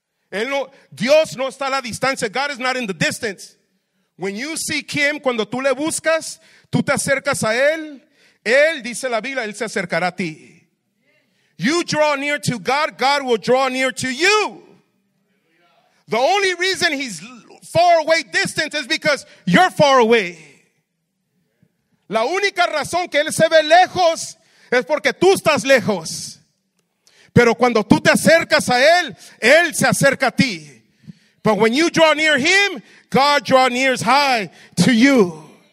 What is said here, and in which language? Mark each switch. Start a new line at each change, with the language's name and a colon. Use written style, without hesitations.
Spanish: Él no, Dios no está a la distancia.
English: God is not in the distance. When you seek him,
Spanish: cuando tú le buscas, tú te acercas a él. Él, dice la Biblia, él se acercará a ti.
English: You draw near to God, God will draw near to you. The only reason he's far away, distant, is because you're far away.
Spanish: La única razón que él se ve lejos es porque tú estás lejos. Pero cuando tú te acercas a él, él se acerca a ti.
English: But when you draw near him, God draws near high to you.